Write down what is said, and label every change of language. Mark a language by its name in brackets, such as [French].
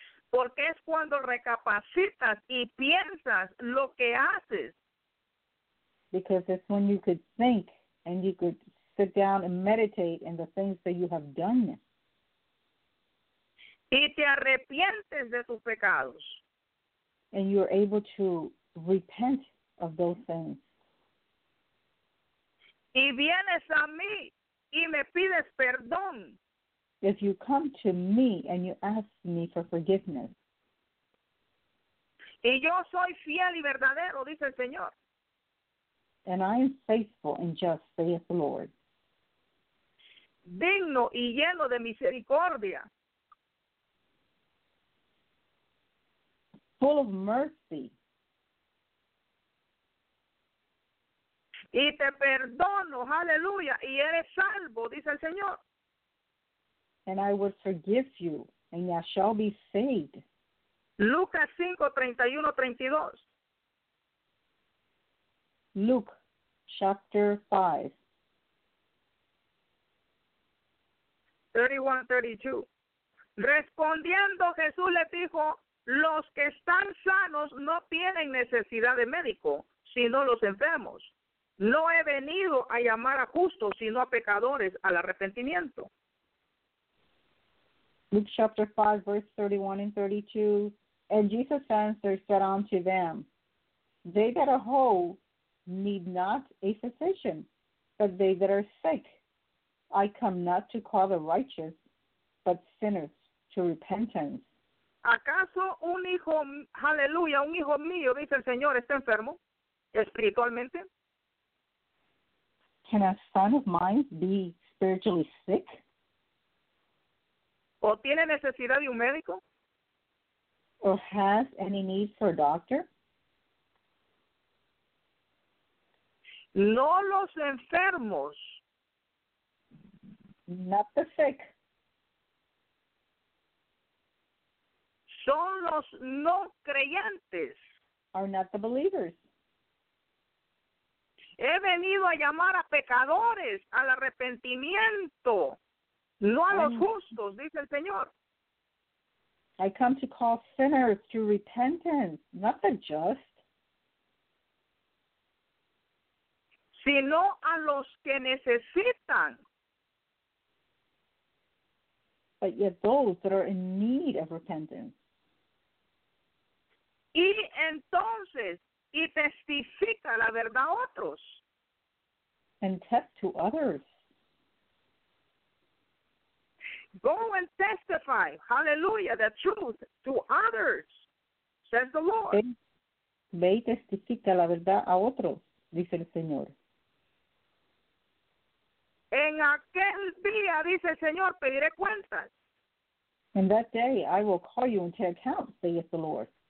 [Spanish] Porque es cuando recapacitas y piensas lo que haces. [English] Because it's when you could think and you could sit down and meditate in the things that you have done. [Spanish] Y te arrepientes de tus pecados. [English] And you're able to repent of those things. [Spanish] Y vienes a mí. Y me pides perdón. [English] If you come to me and you ask me for forgiveness. [Spanish] Y yo soy fiel y verdadero, dice el Señor. [English] And I am faithful and just, saith the Lord. [Spanish] Digno y lleno de misericordia. [English] Full of mercy. [Spanish] Y te perdono, aleluya, y eres salvo, dice el Señor. [English] And I will forgive you, and you shall be saved. [Spanish] Lucas 5:31-32. [English] Luke chapter 5:31-32. [Spanish] Respondiendo Jesús les dijo, los que están sanos no tienen necesidad de médico, sino los enfermos. No he venido a llamar a justos, sino a pecadores al arrepentimiento. [English] Luke chapter 5, verse 31 and 32. And Jesus answered, said unto them, they that are whole need not a physician, but they that are sick. I come not to call the righteous, but sinners to repentance. [Spanish] ¿Acaso un hijo, aleluya, un hijo mío, dice el Señor, está enfermo espiritualmente? [English] Can a son of mine be spiritually sick? [Spanish] ¿O tiene necesidad de un médico? [English] Or has any need for a doctor? [Spanish] No los enfermos. [English] Not the sick. [Spanish] Son los no creyentes. [English] Are not the believers. [Spanish] He venido a llamar a pecadores al arrepentimiento, no a los justos, dice el Señor. [English] I come to call sinners to repentance, not the just. [Spanish] Sino a los que necesitan. [English] But yet those that are in need of repentance. [Spanish] Y entonces, y testifica la verdad a otros. [English] And test to others. Go and testify, hallelujah, the truth to others, says the Lord. [Spanish] Ve y testifica la verdad a otros, dice el Señor. En aquel día, dice el Señor, pediré cuentas. [English] In that day, I will call you into account, saith the Lord.